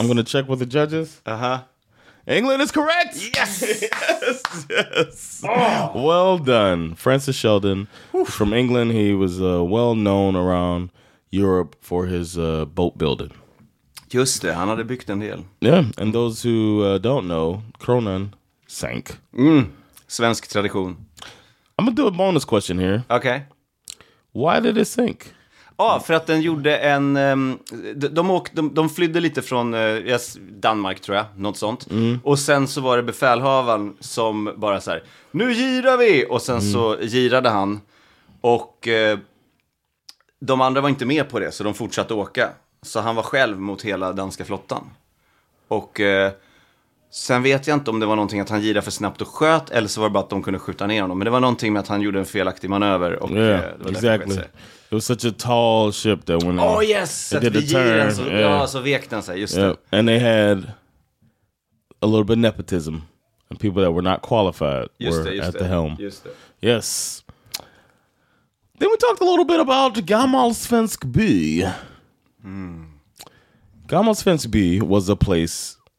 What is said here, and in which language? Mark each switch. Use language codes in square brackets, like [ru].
[en] I'm gonna check with the judges. Uh-huh. England is correct! Yes! yes! Well done. Francis Sheldon. Oof. From England, he was well known around Europe for his boat building. [sv] Just det, han hade byggt en del. [en] Yeah, and those who don't know, kronan sank. [sv] Svensk tradition. [en] I'm gonna do a bonus question here. Okay. Why did it sink? [sv] För att den gjorde en... De flydde lite från Danmark, tror jag. Något sånt. Mm. Och sen så var det befälhavaren som bara så här, nu girar vi! Och sen så girade han. Och de andra var inte med på det, så de fortsatte åka. Så han var själv mot hela danska flottan. Och sen vet jag inte om det var någonting att han girade för snabbt och sköt, eller så var det bara att de kunde skjuta ner honom. Men det var någonting med att han gjorde en felaktig manöver. Och, [en] yeah, [sv] det var [en] exactly. It was such a tall ship that when [sv] så vek den sig, just det. [en] And they had a little bit nepotism. And people that were not qualified at the helm. [sv] Just det. [en] Yes. Then we talked a little bit about Gammal Svensk By. Gammal Svensk By was a place